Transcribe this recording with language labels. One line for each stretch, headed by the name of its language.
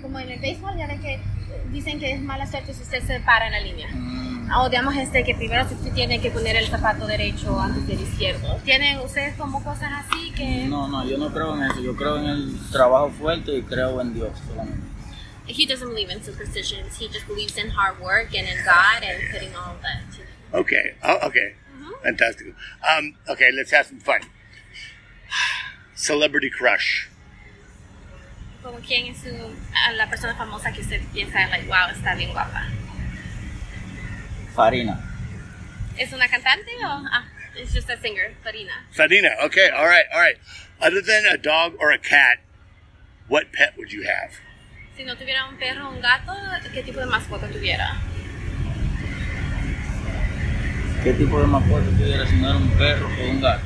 Spanish: como en el béisbol, ya ve que dicen que es mala suerte si usted se para en la línea. O digamos que primero usted tiene que poner el zapato derecho antes del izquierdo. ¿Tienen ustedes como cosas así que...? No, yo no creo en eso. Yo creo en el trabajo fuerte y creo en Dios solamente.
English: He doesn't believe in superstitions. He just believes in hard work and in God and putting all that to them. Okay. Mm-hmm. Fantastic. Okay, let's have some fun. Celebrity crush.
Spanish: ¿Como quién es la persona famosa que usted piensa,
English: like, wow,
Spanish: está bien guapa? Farina. ¿Es una cantante o...?
English: It's just a singer, Farina. Farina, okay, all right. Other than a dog or a cat, what pet would you have?
Spanish: Si no tuviera un perro o un gato, ¿qué tipo de mascota tuviera? ¿Qué tipo de mascota tuviera si no era un perro o un gato?